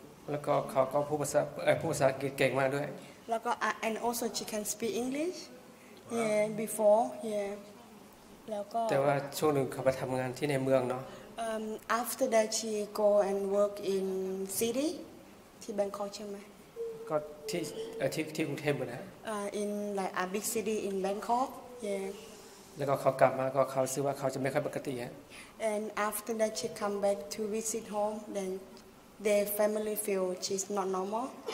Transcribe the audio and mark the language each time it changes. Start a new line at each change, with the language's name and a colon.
Thai: แล้วก็เขาก็พูดภาษาอังกฤษเก่งมากด้วย แล้วก็
English: and also she can speak English. Yeah, before yeah.
Thai: แต่ว่าช่วงหนึ่งเขาไปทำงานที่ในเมืองเนาะ
English: After that she go and work in city
Thai: ที่แบงคอกใช่ไหม ก็ที่กรุงเทพเหมือนกัน
English: In like a big city in Bangkok yeah
Thai: แล้วก็เขากลับมาก็เขาซื้อว่าเขาจะไม่ค่อยปกติฮะ
English: And after that she come back to visit home then their family feel she's not normal